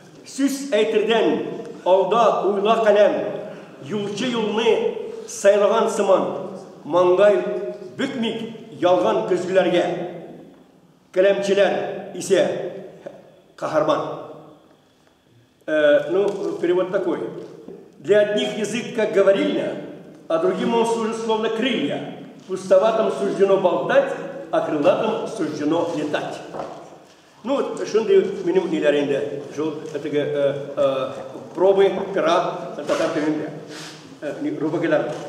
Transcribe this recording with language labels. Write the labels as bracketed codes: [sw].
[tt] Сүз әйтірден алда ұйла қалем, юлчы юлны сайлаған сыман, маңғай бүкмек ялған күзгілерге, кәлемчілер ісе қахарман. [ru] Перевод такой. Для одних язык как говорильня, а другим он служит словно крылья. Пустоватым суждено болтать, а крылатым суждено летать. [tt] Шынды менің нелерінде жол әтігі [ru] пробы, пера, [tt] татар тілінде. Рубагелер.